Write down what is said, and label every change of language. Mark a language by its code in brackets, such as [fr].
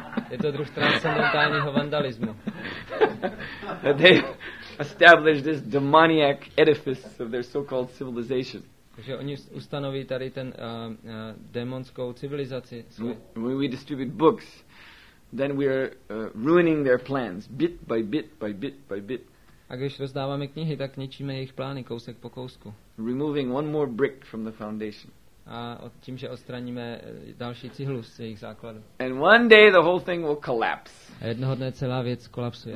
[cs] Je to druh transcendentálního vandalismu. [en] That they establish this demoniac edifice of their so-called civilization. [cs] Že oni ustanoví tady ten démonskou civilizaci. [en] When we distribute books, then we are ruining their plans bit by bit by bit by bit. [cs] A když rozdáváme knihy, tak ničíme jejich plány kousek po kousku. [en] Removing one more brick from the foundation. [cs] A tím, že odstraníme další cihlu z jejich základu. [en] And one day the whole thing will collapse. [cs] A jednoho dne celá věc kolapsuje.